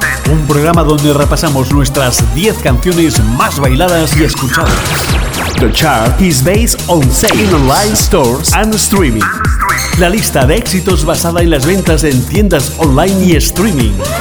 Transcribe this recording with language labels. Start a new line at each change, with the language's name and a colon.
Spanish: Un programa donde repasamos nuestras 10 canciones más bailadas y escuchadas.
English: The chart is based on sales, online stores and streaming.
Spanish: La lista de éxitos basada en las ventas en tiendas online y streaming.